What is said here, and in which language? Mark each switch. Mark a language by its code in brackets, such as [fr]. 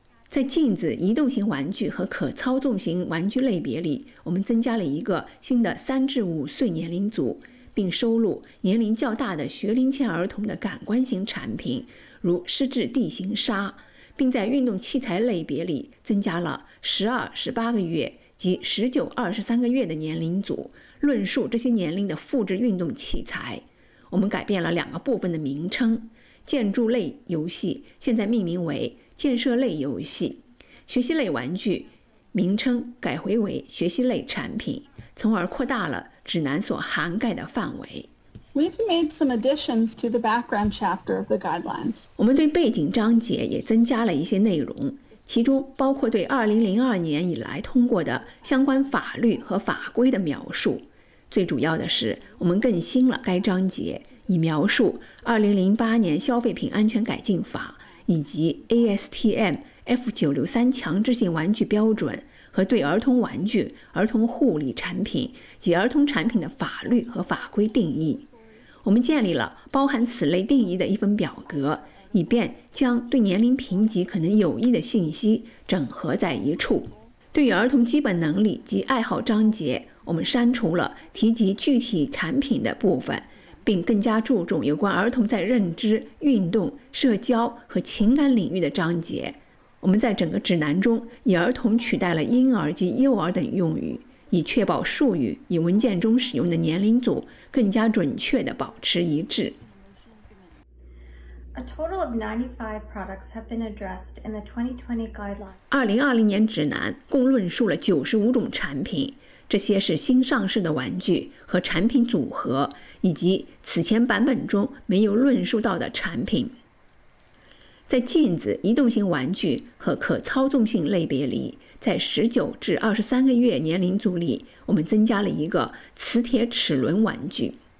[zh] 在镜子、移动型玩具和可操纵型玩具类别里，我们增加了一个新的3至5岁年龄组，并收录年龄较大的学龄前儿童的感官型产品，如湿质地形沙，并在运动器材类别里增加了12-18个月及19-23个月的年龄组，论述这些年龄的复制运动器材。我们改变了两个部分的名称，建筑类游戏现在命名为建设类游戏，学习类玩具名称改回为学习类产品，从而扩大了指南所涵盖的范围。 [en] We've made some additions to the background chapter of the guidelines. [zh] 我们对背景章节也增加了一些内容，其中包括对2002年以来通过的相关法律和法规的描述。最主要的是，我们更新了该章节，以描述2008年消费品安全改进法以及 ASTM F963 强制性玩具标准和对儿童玩具、儿童护理产品及儿童产品的法律和法规定义。我们建立了包含此类定义的一份表格，以便将对年龄评级可能有益的信息整合在一处。对于儿童基本能力及爱好章节，我们删除了提及具体产品的部分，并更加注重有关儿童在认知、运动、社交和情感领域的章节。我们在整个指南中以儿童取代了婴儿及幼儿等用语，以确保术语与文件中使用的年龄组更加准确地保持一致。 [en] A total of 95 products have been addressed in the 2020 guidelines. [zh] 2020年指南共论述了95种产品，这些是新上市的玩具和产品组合，以及此前版本中没有论述到的产品。在镜子、移动型玩具和可操纵性类别里，在19至23个月年龄组里，我们增加了一个磁铁齿轮玩具。